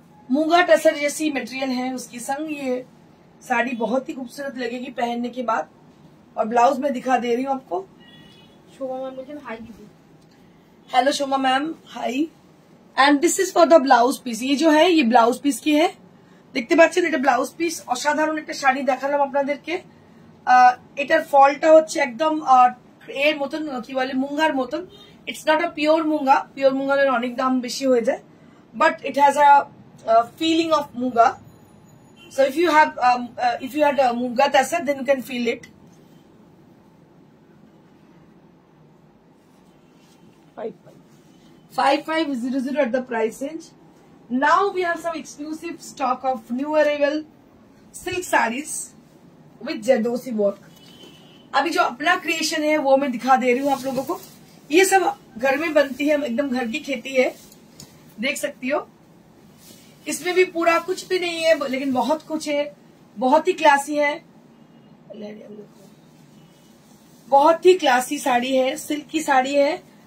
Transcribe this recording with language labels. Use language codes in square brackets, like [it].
[hi] मुगा टसर जैसी मटेरियल है उसके संग ये साड़ी, बहुत ही खूबसूरत लगेगी पहनने के बाद। और ब्लाउज मैं दिखा दे रही हूँ आपको। शोमा मैम मुझे [en] hi [hi] दीजिए। [en] hello [hi] Shoma ma'am, high. [en] and this is for the blouse piece, [hi] ये जो है ये ब्लाउज पीस की है, [bn] দেখতে পাচ্ছেন। এটা ব্লাউজ পিস, অসাধারণ একটা শাড়ি দেখালাম আপনাদেরকে। এটার ফলটা হচ্ছে একদম এর মতন, কি বলে, মুঙ্গার মতন। [en] it's not a pure মুঙ্গা, [bn] pure মুঙ্গার অনেক দাম বেশি হয়ে যায়, [en] But it has a feeling of munga. So if you have munga tasar then you can feel it. Five five zero zero at the price range. Now we have some exclusive stock of new arrival silk sarees with Jardosi work. [hi] अभी जो अपना creation है वो मैं दिखा दे रही हूँ आप लोगों को. ये सब घर में बनती है, एकदम घर की खेती है, देख सकती हो. इसमें भी पूरा कुछ भी नहीं है लेकिन बहुत कुछ है, बहुत ही क्लासी है, बहुत ही क्लासी साड़ी है, सिल्क की साड़ी है.